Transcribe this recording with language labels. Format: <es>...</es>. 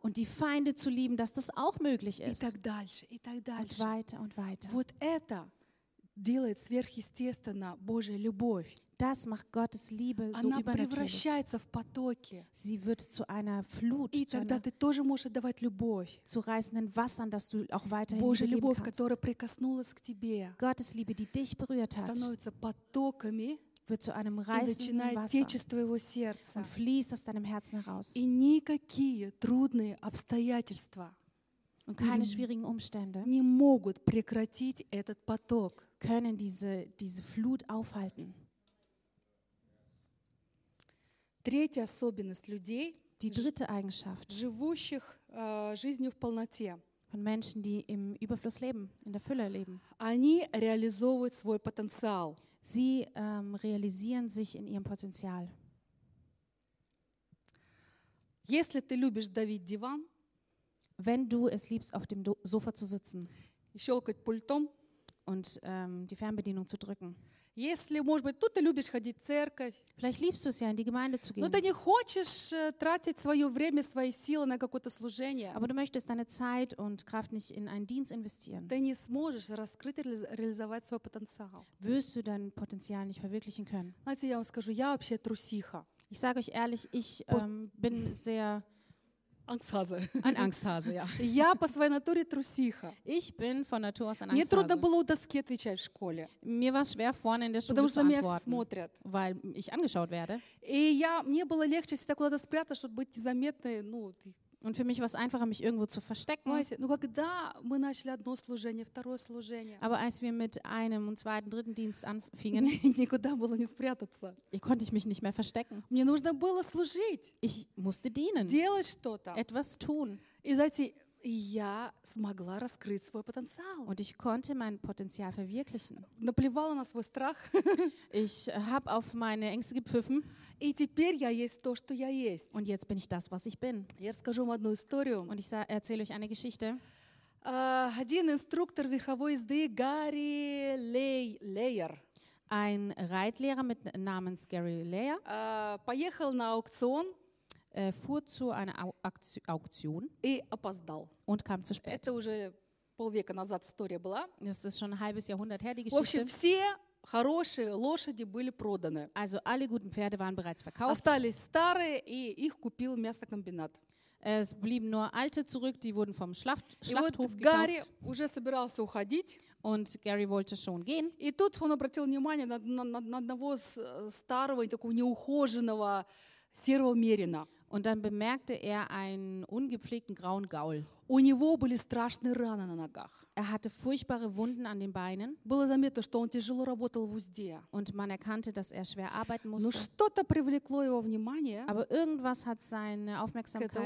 <de>Und die Feinde zu lieben, dass das auch möglich ist.</de> <ru>И так дальше.</ru> <de>Und weiter.</de> <ru>Вот это делает сверхъестественно Божья любовь.</ru> <de>Das macht Gottes Liebe so</de> <ru>Она</ru> <de>übernatürlich.</de> <ru>Превращается в потоки.</ru> <de>Sie wird zu einer Flut,</de> <ru>и тогда</ru> <de>zu einer,</de> <ru>ты тоже можешь отдавать любовь.</ru> <de>Zu reißenden Wassern, dass du auch weiterhin</de> <ru>Божья</ru> <de>geben</de> <ru>любовь,</ru> <de>kannst.</de> <ru>Которая прикоснулась к тебе.</ru> <de>Gottes Liebe, die dich berührt hat.</de> <ru>Становится потоками.</ru> <de>Wird zu einem reißenden Wasser.</de> <ru>Течь из твоего сердца.</ru> <de>Und fließt aus deinem Herzen heraus.</de> <ru>И никакие трудные обстоятельства.</ru> <de>Und keine schwierigen Umstände.</de> <ru>Не могут прекратить этот поток.</ru> <de>Können diese Flut aufhalten.</de> <ru>Третья особенность людей,</ru> <de>die dritte Eigenschaft,</de> <ru>живущих жизнью в полноте,</ru> <de>von Menschen, die im Überfluss leben, in der Fülle leben.</de> <ru>Они реализовывают свой потенциал.</ru> <de>Sie realisieren sich in ihrem Potenzial.</de> <ru>Если ты любишь давить диван,</ru> <de>wenn du es liebst, auf dem Sofa zu sitzen,</de> <ru>и щелкать пультом,</ru> <de>und die Fernbedienung zu drücken.</de> <ru>Если, может быть, тут ты любишь ходить в церковь.</ru> <de>Vielleicht liebst du es ja, in die Gemeinde zu gehen.</de> <ru>Но ты не хочешь тратить свое время, свои силы на какое-то служение.</ru> <de>Aber du möchtest deine Zeit und Kraft nicht in einen Dienst investieren.</de> <ru>Ты не сможешь раскрыть или реализовать свой потенциал.</ru> <de>Wirst du dein Potenzial nicht verwirklichen können. Also,</de> <ru>я вам скажу, я вообще трусиха.</ru> <de>Ich sage euch ehrlich, ich bin sehr Angsthase. Ein Angsthase, ja.</de> <ru>Я по своей натуре трусиха.</ru> <de>Ich bin von Natur aus ein Angsthase.</de> <ru>Мне трудно было у доски отвечать в школе.</ru> <de>Mir war schwer vorne in der Schule</de> <ru>потому</ru> <de>zu antworten.</de> <ru>Потому что меня смотрят.</ru> <de>Weil ich angeschaut werde.</de> <ru>И я мне было легче всегда куда-то спрятаться, чтобы быть незаметной, ну.</ru> <de>Und für mich war es einfacher, mich irgendwo zu verstecken. Weißt du,</de> <ru>когда мы начали одно служение, второе служение.</ru> <de>Aber als wir mit einem und zweiten, dritten Dienst anfingen,</de> <ru>никуда было не спрятаться.</ru> <de>Ich konnte mich nicht mehr verstecken.</de> <ru>Мне нужно было служить.</ru> <de>Ich musste dienen.</de> <ru>Делать что-то.</ru> <de>Etwas tun.</de> <ru>И знаете, я смогла раскрыть свой потенциал.</ru> <de>Und ich konnte mein Potenzial verwirklichen.</de> <ru>Наплевала на свой страх.</ru> <de>Ich habe auf meine Ängste gepfiffen.</de> <ru>И теперь я есть то, что я есть.</ru> <de>Und jetzt bin ich das, was ich bin.</de> <ru>Я расскажу вам одну историю.</ru> <de>Und ich erzähle euch eine Geschichte.</de> <ru>Один инструктор верховой езды Гарри Лейер.</ru> <de>Ein Reitlehrer mit namens Gary Layer.</de> <ru>Поехал на аукцион.</ru> <de>Fuhr zu einer Auktion.</de> <ru>И опоздал.</ru> <de>Und kam zu spät.</de> <ru>Это уже полвека назад история была.</ru> <de>Das ist schon ein halbes Jahrhundert her, die Geschichte.</de> <ru>В общем, все хорошие лошади были проданы.</ru> <de>Also alle guten Pferde waren bereits verkauft.</de> <ru>Остались старые, и их купил мясокомбинат.</ru> <de>Es blieben nur alte zurück, die wurden vom Schlachthof</de> <ru>вот</ru> <de>gekauft.</de> <ru>Гарри уже собирался уходить.</ru> <de>Und Gary wollte schon gehen.</de> <ru>И тут он обратил внимание на одного старого, такого неухоженного серого мерина.</ru> <de>Und dann bemerkte er einen ungepflegten grauen Gaul.</de> <ru>У него были страшные раны на ногах.</ru> <de>Er hatte furchtbare Wunden an den Beinen.</de> <ru>Было заметно, что он тяжело работал в узде.</ru> <de>Und man erkannte, dass er schwer arbeiten musste.</de> <ru>Но что-то привлекло его внимание.</ru> <de>Aber irgendwas hat seine Aufmerksamkeit gefangen.</de>